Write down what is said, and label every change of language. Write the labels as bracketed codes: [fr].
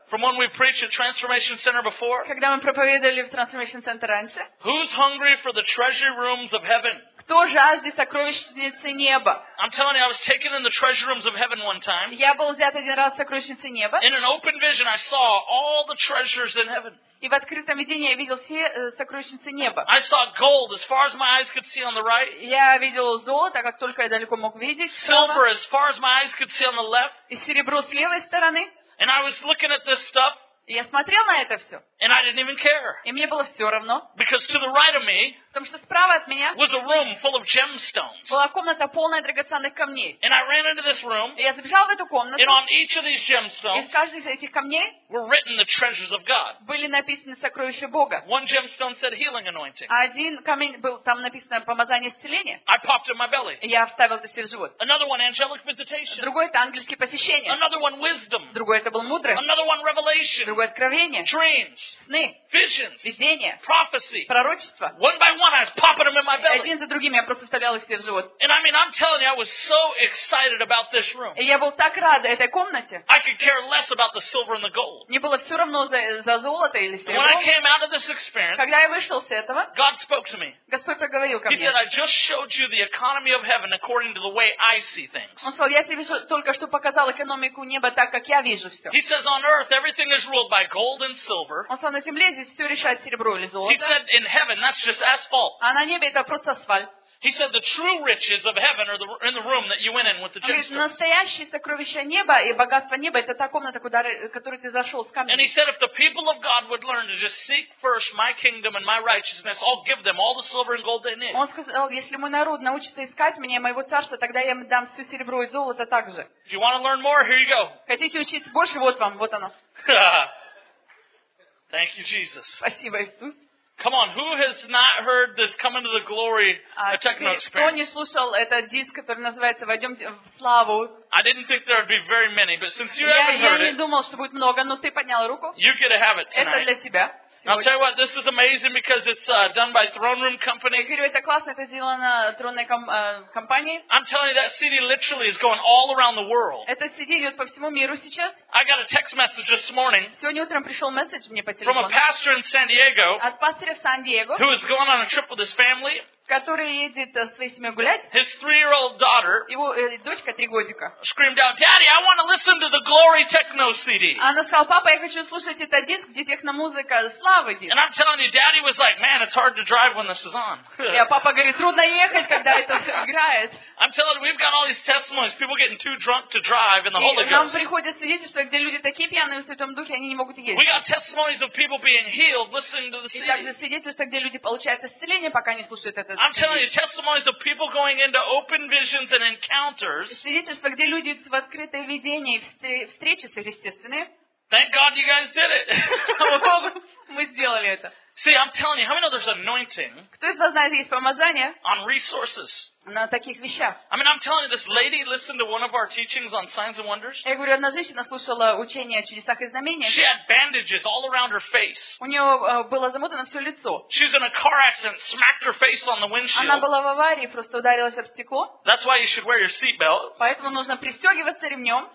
[en] From when we preached at Transformation Center before. [ru] Когда мы проповедовали в Transformation Center раньше. [en] Who's hungry for the treasure rooms of heaven? [ru] Кто жаждет сокровищницы неба? [en] I'm telling you, I was taken in the treasure rooms of heaven one time. [ru] Я был взят один раз в сокровищнице неба. [en] In an open vision, I saw all the treasures in heaven. [ru] И в открытом видении я видел все сокровищницы неба. [en] I saw gold as far as my eyes could see on the right. [ru] Я видел золото, как только я далеко мог видеть. [en] Silver as far as my eyes could see on the left. [ru] И серебро с левой стороны. [en] And I was looking at this stuff. [ru] И я смотрел на это все. [en] And I didn't even care. [ru] И мне было все равно. [en] Because to the right of me. [ru] Потому что справа от меня. [en] Was a room full of gemstones. [ru] Была комната полная драгоценных камней. [en] And I ran into this room. [ru] И я забежал в эту комнату. [en] And on each of these gemstones. [ru] И в каждой из этих камней. [en] Were written the treasures of God. [ru] Были написаны сокровища Бога. [en] One gemstone said healing anointing. [ru] Один камень был там написано помазание исцеления. [en] I popped in my belly. [ru] И я вставил это себе в живот. [en] Another one angelic visitation. [ru] Другой это ангельские посещения. [en] Another one wisdom. [ru] Другой это был мудрость. [en] Another one revelation. [ru] другое откровение. [en] Dreams, [ru] сны, [en] visions, [ru] видения, [en] prophecy, [ru] пророчества. [en] One by one, I was popping them in my belly. [ru] Один за другим я просто вставлял их себе в живот. [en] And I mean, I'm telling you, I was so excited about this room. [ru] И я был так рад этой комнате. [en] I could care less about the silver and the gold. [ru] Мне было все равно за золото или серебро. [en] When I came out of this experience, [ru] когда я вышел с этого, [en] God spoke to me. [ru] Господь проговорил ко мне. [en] He said, I just showed you the economy of heaven according to the way I see things. [ru] Он сказал, я тебе только что показал экономику неба так, как я вижу все. [en] He says, on earth, everything is ruled by gold and silver. [ru] Он сказал, на земле здесь все решает серебро или золото. [en] He said, in heaven, that's just asphalt. [ru] А на небе это просто асфальт. [en] He said the true riches of heaven are in the room that you went in with the gemstones. [ru] Говорит, настоящие сокровища неба и богатство неба это та комната, куда ты зашел с камнем. [en] And he said if the people of God would learn to just seek first my kingdom and my righteousness, I'll give them all the silver and gold they need. [ru] Он сказал, если мой народ научится искать меня и моего царства, тогда я им дам все серебро и золото также. [en] If you want to learn more, here you go. [ru] Хотите учиться больше, вот вам, вот оно. [en] Thank you, Jesus. [ru] Спасибо, Иисус. [en] Come on, who has not heard this coming to the glory techno experience? [ru] Кто не слушал этот диск, который называется «Войдем в славу»? [en] I didn't think there would be very many, but since you haven't heard it, [ru] я не думал, что будет много, но ты поднял руку. [en] You get to have it tonight. [ru] Это для тебя. [en] I'll tell you what, this is amazing because it's done by Throne Room Company. [ru] Я говорю, это классно, это сделано тронной компанией. [en] I'm telling you, that CD literally is going all around the world. [ru] Это CD идет по всему миру сейчас. [en] I got a text message this morning. [ru] Сегодня утром пришел месседж мне по телефону. [en] From a pastor in San Diego. [ru] От пастора в Сан-Диего. [en] Who is going on a trip with his family. [ru] Который едет со своей семьей гулять. [en] His three-year-old daughter. [ru] Его дочка три годика. [en] Screamed out, "Daddy, I want to listen to the Glory Techno CD." [ru] Она сказала, папа, я хочу слушать этот диск, где техномузыка славы диск. [en] And I'm telling you, Daddy was like, "Man, it's hard to drive when this is on." [ru] Я папа говорит, трудно ехать, когда это играет. [en] I'm telling you, we've got all these testimonies, people getting too drunk to drive in the Holy Ghost. [ru] И нам приходят свидетельства, где люди такие пьяные в Святом Духе, они не могут ездить. [en] We got testimonies of people being healed listening to the CD. [ru] И также свидетельства, где люди получают исцеление, пока не слушают этот. [en] I'm telling you, testimonies of people going into open visions and encounters. [ru] Свидетельства, где люди в открытое видение и встречи сверхъестественные. [en] Thank God you guys did it. [ru] Мы сделали это. [en] See, I'm telling you, how many know there's anointing? [ru] Кто из вас знает, есть помазание? [en] On resources. [ru] На таких вещах. [en] I mean, I'm telling you, this lady listened to one of our teachings on signs and wonders. [ru] Я говорю, одна женщина слушала учение о чудесах и знамениях. [en] She had bandages all around her face. [ru] У нее было замотано все лицо. [en] She's in a car accident, smacked her face on the windshield. [ru] Она была в аварии, просто ударилась об стекло. [en] That's why you should wear your seatbelt. [ru] Поэтому нужно пристегиваться ремнем.